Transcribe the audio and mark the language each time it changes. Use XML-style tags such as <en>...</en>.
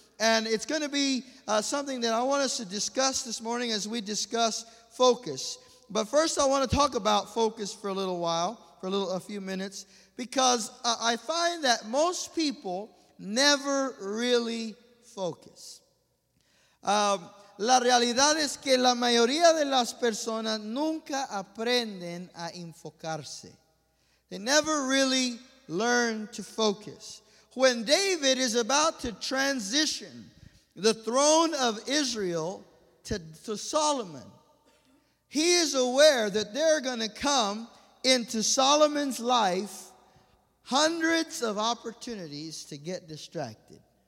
<en>And it's going to be something that I want us to discuss this morning as we discuss focus. But first I want to talk about focus for a little while, a few minutes, because I find that most people never really focus.</en> <es>La realidad es que la mayoría de las personas nunca aprenden a enfocarse.</es> <en>They never really learn to focus. When David is about to transition the throne of Israel to Solomon, he is aware that they're going to come into Solomon's life hundreds of opportunities to get distracted.</en>